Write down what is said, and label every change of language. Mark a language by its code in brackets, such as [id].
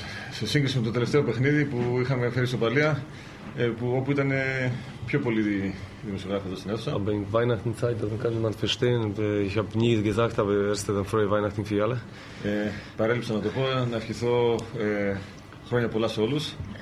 [el] Σε σύγκριση με το τελευταίο παιχνίδι που είχαμε φέρει στο Παλία, όπου ήταν πιο πολύ δημοσιογράφοι εδώ στην αίθουσα. [de] Aber in Weihnachtenzeit, das kann man verstehen. Ich habe nie gesagt, aber erst dann frohe Weihnachten für alle. [el] Παρέλειψα να το πω, να ευχηθώ χρόνια πολλά σε όλους.